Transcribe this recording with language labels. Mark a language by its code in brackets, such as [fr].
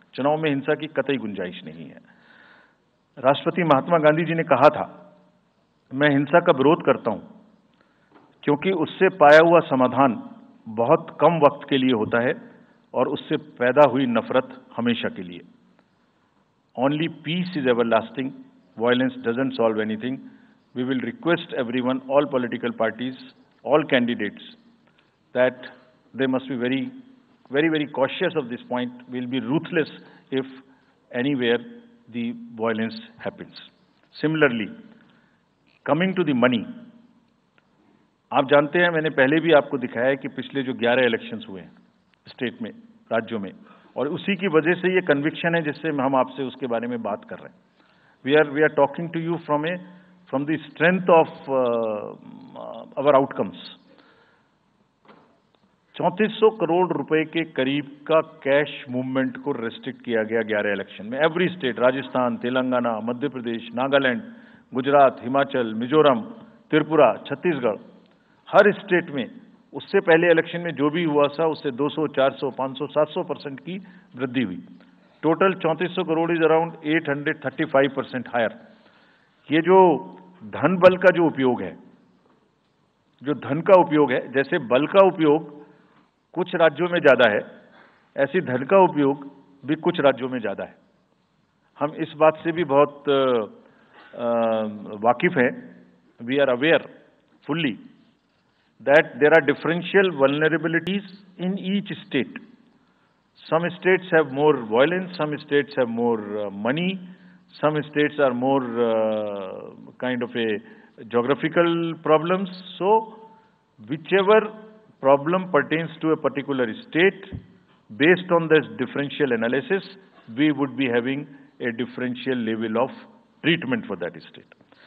[hi] चुनाव में हिंसा की कतई गुंजाइश नहीं है। राष्ट्रपति महात्मा गांधी जी ने कहा था, मैं हिंसा का विरोध करता हूं क्योंकि उससे पाया हुआ समाधान बहुत कम वक्त के लिए होता है और उससे पैदा हुई नफरत हमेशा के लिए। [en] Only peace is everlasting, violence doesn't solve anything. We will request everyone, all political parties, all candidates, that they must be very very very cautious of this point. We'll be ruthless if anywhere the violence happens. Similarly, coming to the money, [hi] aap jante hain, maine pehle bhi aapko dikhaya hai ki pichle jo 11 elections hue hain state mein, rajyon mein, और उसी की वजह से ये conviction है जिससे हम आपसे उसके बारे में बात कर रहे हैं। [en] We are talking to you from the strength of our outcomes. [hi] 3400 crore रुपए के करीब का कैश मूवमेंट को रेस्ट्रिक्ट किया गया 11 इलेक्शन में। [en] every state, [hi] राजस्थान, तेलंगाना, मध्य प्रदेश, नागालैंड, गुजरात, हिमाचल, मिजोरम, त्रिपुरा, छत्तीसगढ़, हर स्टेट में उससे पहले इलेक्शन में जो भी हुआ था उससे 200, 400, 500, 700% की वृद्धि हुई। [en] Total 3400 crore is around 835% higher. [hi] ये जो धन बल का जो धन का उपयोग है, जैसे बल का उपयोग कुछ राज्यों में ज्यादा है, ऐसी धन का उपयोग भी कुछ राज्यों में ज्यादा है। हम इस बात से भी बहुत वाकिफ हैं, [en] We are aware fully that there are differential vulnerabilities in each state. Some states have more violence, some states have more money, some states are more kind of a geographical problems. So whichever problem pertains to a particular state, based on this differential analysis, we would be having a differential level of treatment for that state.